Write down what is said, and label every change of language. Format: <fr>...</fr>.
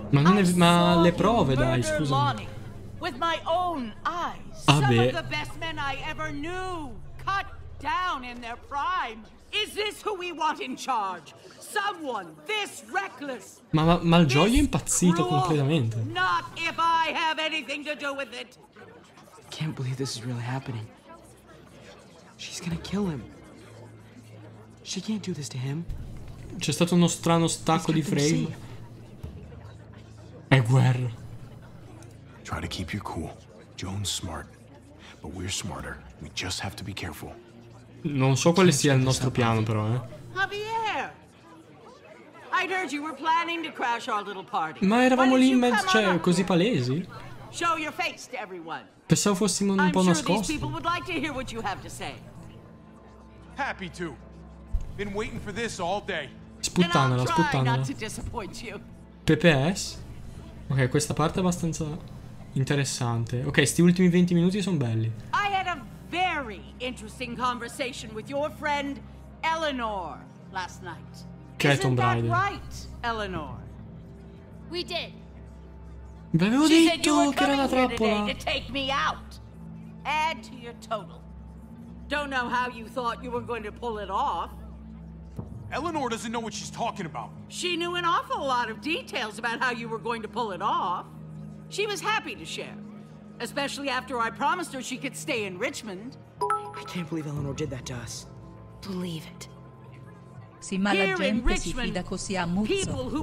<it>Ma non è, ma le prove, dai, scusami.</it> <en>With my own eyes. Some of the best men I ever knew cut down in their prime. Is this who we want in charge? Someone this reckless.</en> <it>Malgioglio è impazzito completamente.</it> <en>Not if I have anything to do with it. I can't believe this is really happening. She's gonna kill him. She can't do this to him.</en> <it>C'è stato uno strano stacco di frame. È guerra.</it> <en>Try to keep your cool. Joan's smart, but we're smarter. We just have to be careful.</en> <it>Non so quale sia il nostro piano, però, eh.</it> <en>Javier! I'd heard you were planning to crash our little party.</en> <it>Ma eravamo lì in mezzo, cioè, così palesi?</it> <en>Show your face to everyone. Pensavo fossimo un po' nascosti. These people would like to hear what you have to say. Happy to. Been waiting for this all day.</en> <it>Sputtanela, sputtanela.</it> <en>Not to disappoint you.</en> <it>PPS? Ok, questa parte è abbastanza interessante. Ok, sti ultimi 20 minuti sono belli.</it> <en>I had a very interesting conversation with your friend Eleanor last night.</en> <it>Che è Tom Brady.</it> <en>Isn't that right, Eleanor? We did.</en> <it>Vi avevo detto che era una trappola.</it> <en>To take me out. Add to your total. Don't know how you thought you were going to pull it off. Eleanor doesn't know what she's talking about. She knew an awful lot of details about how you were going to pull it off. She was happy to share, especially after I promised her she could stay in Richmond. I can't believe Eleanor did that to us. Believe it.</en> <it>Sì, ma la gente si fida così a Muzzo.</it>